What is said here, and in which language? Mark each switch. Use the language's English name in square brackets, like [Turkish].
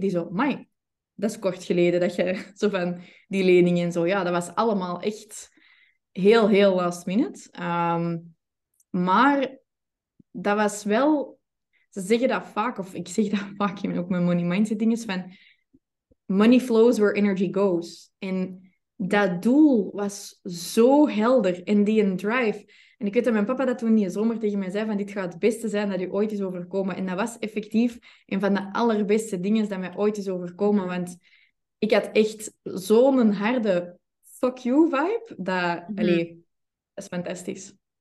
[Dutch] Die zo, amai, dat is kort geleden dat je zo van die lening en zo. Ja, dat was allemaal echt heel, heel last minute. Maar dat was wel... Ze zeggen dat vaak, of ik zeg dat vaak in ook mijn money mindset ding is van... [English] Money flows where energy goes. [Dutch] En dat doel was zo helder. En die drive... En ik weet dat mijn papa dat toen die zomer tegen mij zei van dit gaat het beste zijn dat u ooit is overkomen. En dat was effectief een van de allerbeste dingen dat mij ooit is overkomen. Want ik had echt zo'n harde fuck you vibe. Allee, dat is fantastisch.